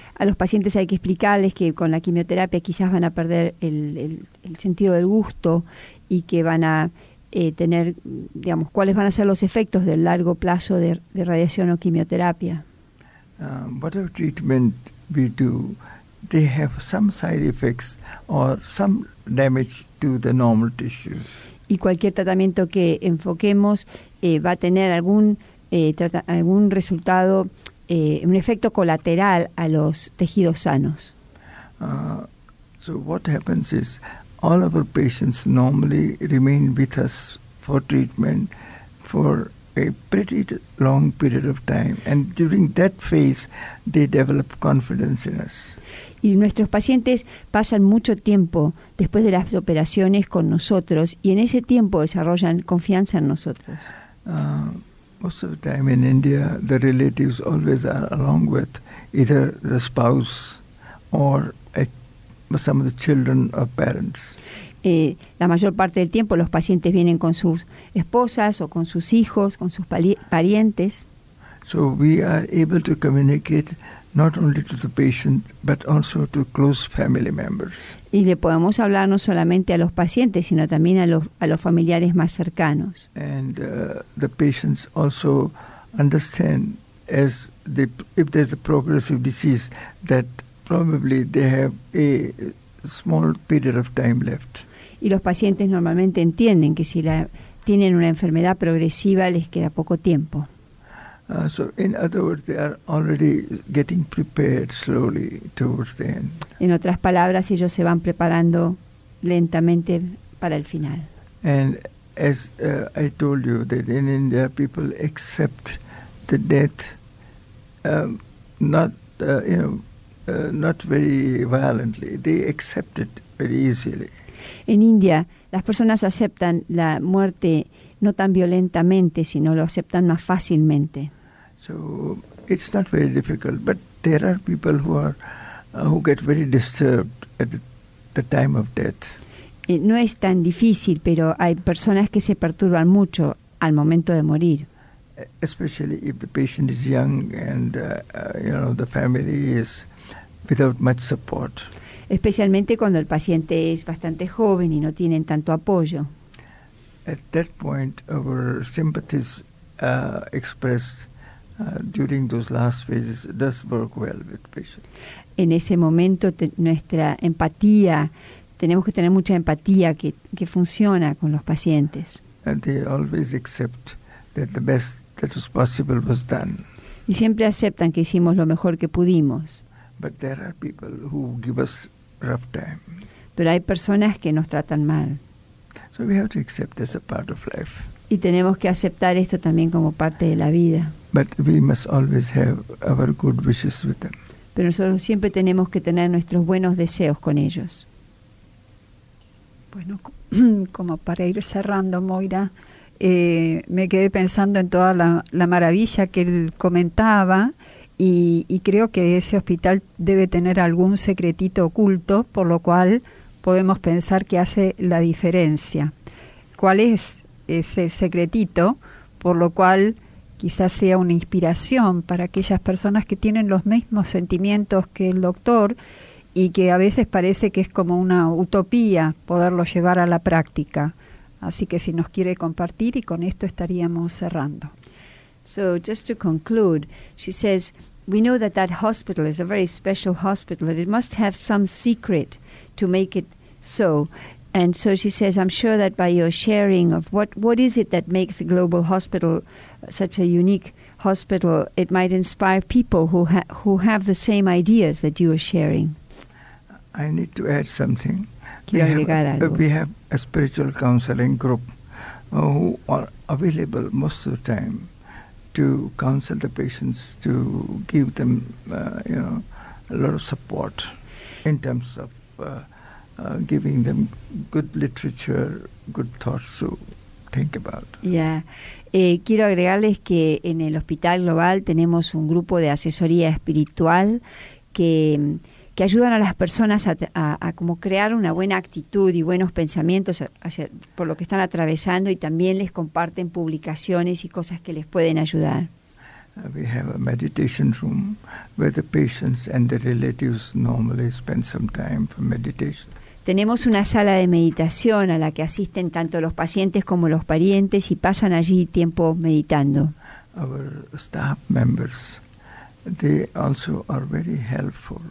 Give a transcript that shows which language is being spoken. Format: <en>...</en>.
<es>A los pacientes hay que explicarles que con la quimioterapia quizás van a perder el sentido del gusto y que van a tener, digamos, cuáles van a ser los efectos del largo plazo de radiación o quimioterapia.</es> <en>Whatever treatment we do, they have some side effects or some damage to the normal tissues.</en> <es>Y cualquier tratamiento que enfoquemos va a tener algún resultado. Un efecto colateral a los tejidos sanos.</es> <en>So what happens is all of our patients normally remain with us for treatment for a pretty long period of time, and during that phase, they develop confidence in us.</en> <es>Y nuestros pacientes pasan mucho tiempo después de las operaciones con nosotros, y en ese tiempo desarrollan confianza en nosotros.</es> <en>Most of the time in India, the relatives always are along with either the spouse or some of the children of parents.</en> <es>La mayor parte del tiempo los pacientes vienen con sus esposas o con sus hijos, con sus parientes.</es> <en>So we are able to communicate not only to the patient but also to close family members.</en> <es>Y le podemos hablar no solamente a los pacientes sino también a los familiares más cercanos.</es> <en>And the patients also understand if there's a progressive disease that probably they have a small period of time left.</en> <es>Y los pacientes normalmente entienden que si tienen una enfermedad progresiva les queda poco tiempo.</es> <en>So in other words, they are already getting prepared slowly towards the end.</en> <es>En otras palabras, ellos se van preparando lentamente para el final.</es> <en>And as I told you, that in India people accept the death not very violently. They accept it very easily.</en> <es>En India, las personas aceptan la muerte no tan violentamente, sino lo aceptan más fácilmente.</es> <en>So it's not very difficult, but there are people who get very disturbed at the time of death.</en> <es>No es tan difícil, pero hay personas que se perturban mucho al momento de morir.</es> <en>Especially if the patient is young and the family is without much support.</en> <es>Especialmente cuando el paciente es bastante joven y no tienen tanto apoyo.</es> <en>At that point, our sympathies expressed during those last phases does work well with patients.</en> <es>En ese momento, nuestra empatía, tenemos que tener mucha empatía que funciona con los pacientes.</es> <en>And they always accept that the best that was possible was done.</en> <es>Y siempre aceptan que hicimos lo mejor que pudimos.</es> <en>But there are people who give us rough time.</en> <es>Pero hay personas que nos tratan mal.</es> <en>So we have to accept this as a part of life.</en> <es>Y tenemos que aceptar esto también como parte de la vida.</es> <en>But we must always have our good wishes with them.</en> <es>Pero nosotros siempre tenemos que tener nuestros buenos deseos con ellos. Bueno, como para ir cerrando, Moira, me quedé pensando en toda la maravilla que él comentaba. Y creo que ese hospital debe tener algún secretito oculto, por lo cual podemos pensar que hace la diferencia. ¿Cuál es ese secretito? Por lo cual quizás sea una inspiración para aquellas personas que tienen los mismos sentimientos que el doctor y que a veces parece que es como una utopía poderlo llevar a la práctica. Así que si nos quiere compartir, y con esto estaríamos cerrando.</es> <en>So just to conclude, she says, we know that hospital is a very special hospital and it must have some secret to make it so. And so she says, I'm sure that by your sharing of what is it that makes a global hospital such a unique hospital, it might inspire people who have the same ideas that you are sharing. I need to add something. We have a spiritual counseling group who are available most of the time to counsel the patients, to give them, a lot of support in terms of giving them good literature, good thoughts to think about. Yeah.</en> <es>Quiero agregarles que en el Hospital Global tenemos un grupo de asesoría espiritual que ayudan a las personas a como crear una buena actitud y buenos pensamientos hacia por lo que están atravesando, y también les comparten publicaciones y cosas que les pueden ayudar.</es> <en>We have a meditation room where the patients and the relatives normally spend some time for meditation.</en> <es>Tenemos una sala de meditación a la que asisten tanto los pacientes como los parientes y pasan allí tiempo meditando.</es> <en>Our staff members, they also are very helpful.</en>